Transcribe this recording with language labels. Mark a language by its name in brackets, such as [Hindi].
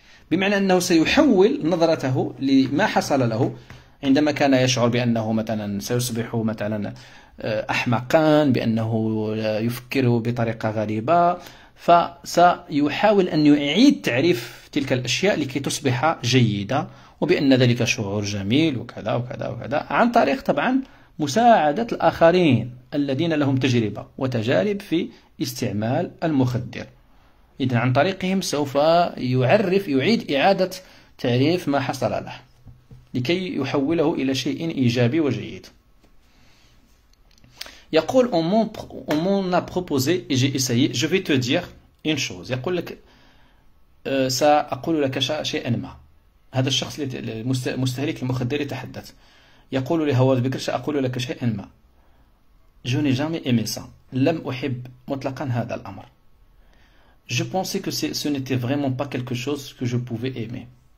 [Arabic] بمعنى أنه سيحول نظرته لما حصل له عندما كان يشعر بأنه مثلا سيصبح مثلا أحمقا، بأنه يفكر بطريقة غريبة، فسيحاول أن يعيد تعريف تلك الأشياء لكي تصبح جيدة، وبأن ذلك شعور جميل وكذا وكذا وكذا، عن طريق طبعا مساعدة الآخرين الذين لهم تجربة وتجارب في استعمال المخدر. إذن عن طريقهم سوف يعيد إعادة تعريف ما حصل له لكي يحوله إلى شيء إيجابي وجيد. يقول [French] on m'en a proposé et j'ai essayé. Je vais te dire une chose. [Arabic] يقول لك سأقول لك شيئا ما. هذا الشخص المستهلك المخدر يتحدث، يقول لهوارد بيكر سأقول لك شيئا ما. [French] Je n'ai jamais aimé ça. [Arabic] Lam uhib mutlaqan hadha al-amr. [French] Je pensais que ce n'était vraiment pas quelque chose que je pouvais aimer.